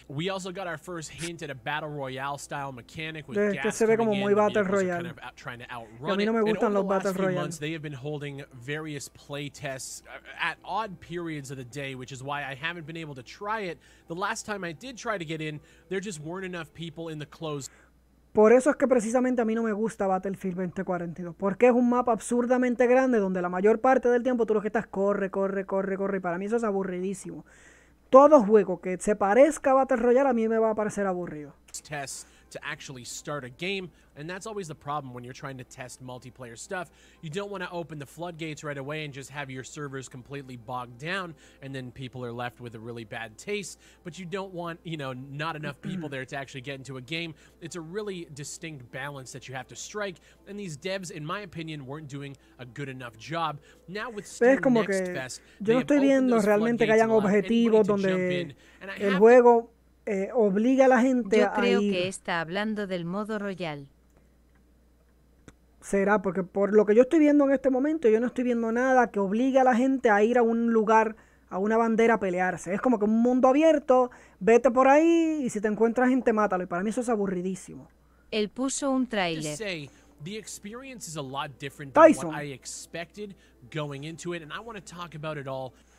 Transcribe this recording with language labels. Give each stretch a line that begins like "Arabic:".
English: We also got our first hint at a battle royale style mechanic with gas coming in, kind of trying to outrun it. And over the last few royale. Months, they have been holding various play tests at odd periods of the day, which is why I haven't been able to try it. The last time I did try to get in, there just weren't enough people in the closed.
Spanish: Por eso es que precisamente a mí no me gusta Battlefield 2042, porque es un mapa absurdamente grande donde la mayor parte del tiempo tú lo que estás corre, y para mí eso es aburridísimo. Todo juego que se parezca a Battle Royale a mí me va a parecer aburrido.
English: Test to actually start a game, and that's always the problem when you're trying to test multiplayer stuff. You don't want to open the floodgates right away and just have your servers completely bogged down, and then people are left with a really bad taste. But you don't want, you know, not enough people there to actually get into a game. It's a really distinct balance that you have to strike, and these devs, in my opinion, weren't doing a good enough job. Now with Steam Next Fest,
Spanish: yo no estoy viendo realmente que hayan objetivos donde el juego obliga a la gente a ir. Yo creo que está hablando del modo royal. Será, porque por lo que yo estoy viendo en este momento, yo no estoy viendo nada que obligue a la gente a ir a un lugar, a una bandera a pelearse. Es como que un mundo abierto, vete por ahí y si te encuentras gente, mátalo. Y para mí eso es aburridísimo. Él puso un tráiler.
English: The experience is a lot different than Tyson. What I expected going into it, and I want to talk about it all.